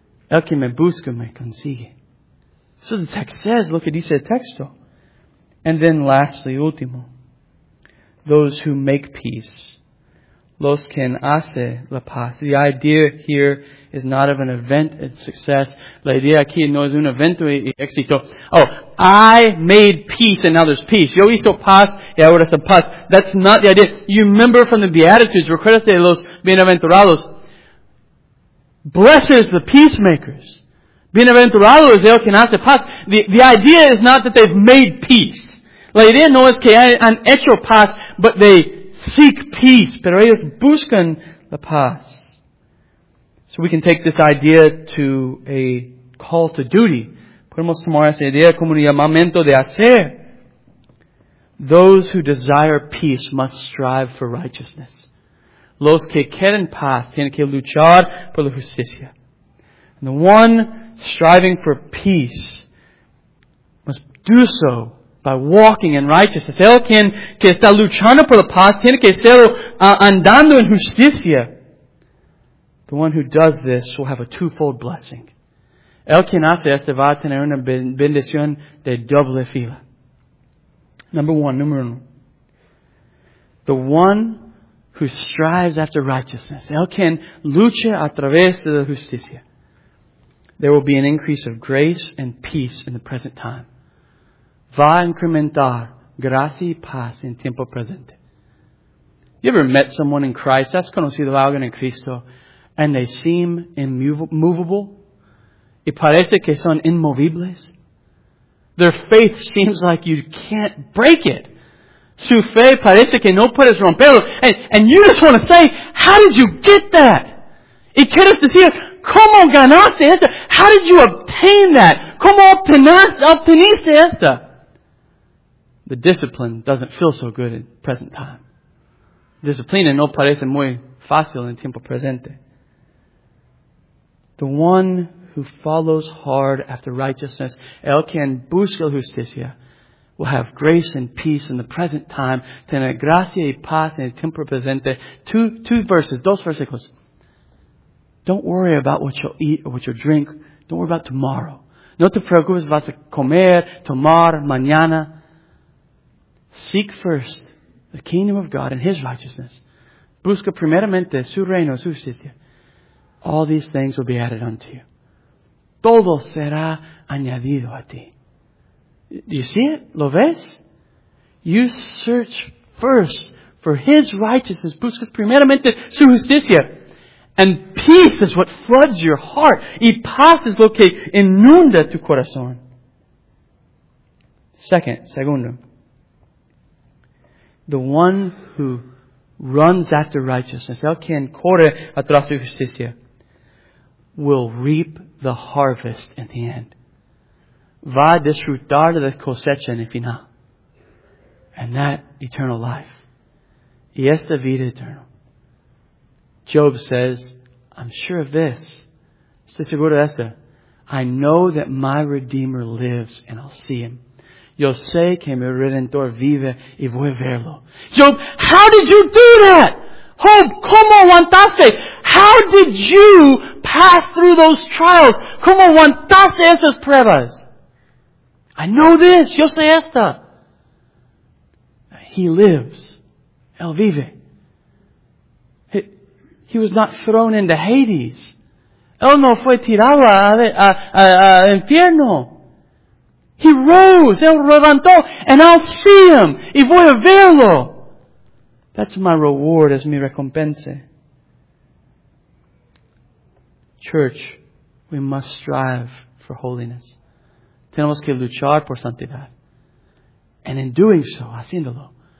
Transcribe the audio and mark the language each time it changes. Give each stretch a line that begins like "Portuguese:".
Spanish: El que me busca me consigue.
English: So the text says,
Spanish: lo que dice el texto.
English: And then lastly,
Spanish: último,
English: those who make peace.
Spanish: Los que hace la paz.
English: The idea here is not of an event and success.
Spanish: La idea aquí no es un evento y éxito.
English: Oh, I made peace and now there's peace.
Spanish: Yo hizo paz y ahora es paz.
English: That's not the idea. You remember from the Beatitudes,
Spanish: recuerda de los bienaventurados.
English: Blessed is the peacemakers.
Spanish: Bienaventurado es el que hace paz.
English: The idea is not that they've made peace.
Spanish: La idea no es que han hecho paz,
English: but they seek peace,
Spanish: pero ellos buscan la paz.
English: So we can take this idea to a call to duty.
Spanish: Podemos tomar esa idea como un llamamiento de hacer.
English: Those who desire peace must strive for righteousness.
Spanish: Los que quieren paz tienen que luchar por la justicia.
English: And the one striving for peace must do so by walking in righteousness.
Spanish: El quien que está luchando por la paz tiene que ser andando en justicia.
English: The one who does this will have a twofold blessing.
Spanish: El quien hace este va a tener una bendición de doble fila. Número uno.
English: The one who strives after righteousness.
Spanish: El quien lucha a través de la justicia.
English: There will be an increase of grace and peace in the present time.
Spanish: Va a incrementar gracia y paz en tiempo presente.
English: You ever met someone in Christ?
Spanish: Has conocido a alguien en Cristo?
English: And they seem immovable?
Spanish: Y parece que son inmovibles?
English: Their faith seems like you can't break it.
Spanish: Su fe parece que no puedes romperlo.
English: And you just want to say, how did you get that?
Spanish: Y quieres decir, ¿cómo ganaste esto?
English: How did you obtain that?
Spanish: ¿Cómo obteniste esto?
English: The discipline doesn't feel so good in present time.
Spanish: Disciplina no parece muy fácil en tiempo presente.
English: The one who follows hard after righteousness,
Spanish: el quien busca la justicia,
English: will have grace and peace in the present time.
Spanish: Tener gracia y paz en el tiempo presente. Dos versículos.
English: Don't worry about what you'll eat or what you'll drink. Don't worry about tomorrow.
Spanish: No te preocupes, vas a comer, tomar, mañana.
English: Seek first the kingdom of God and His righteousness.
Spanish: Busca primeramente su reino, su justicia.
English: All these things will be added unto you.
Spanish: Todo será añadido a ti.
English: Do you see it?
Spanish: ¿Lo ves?
English: You search first for His righteousness.
Spanish: Busca primeramente su justicia.
English: And peace is what floods your heart.
Spanish: Y paz es lo que inunda tu corazón. Segundo.
English: The one who runs after righteousness,
Spanish: el quien corre atrás de justicia,
English: will reap the harvest in the end.
Spanish: Va a disfrutar de la cosecha en el final.
English: And that eternal life.
Spanish: Y esta vida eterna.
English: Job says, I'm sure of this.
Spanish: Estoy seguro de esto.
English: I know that my Redeemer lives and I'll see him.
Spanish: Yo sé que mi Redentor vive y voy a verlo.
English: Job, how did you do that? Job,
Spanish: ¿cómo aguantaste?
English: How did you pass through those trials?
Spanish: ¿Cómo aguantaste esas pruebas?
English: I know this.
Spanish: Yo sé esta.
English: He lives.
Spanish: Él vive.
English: He was not thrown into Hades.
Spanish: Él no fue tirado al infierno.
English: He rose,
Spanish: él levantó,
English: and I'll see him,
Spanish: y voy a verlo.
English: That's my reward,
Spanish: es mi recompensa.
English: Church, we must strive for holiness.
Spanish: Tenemos que luchar por santidad.
English: And in doing so,
Spanish: haciéndolo,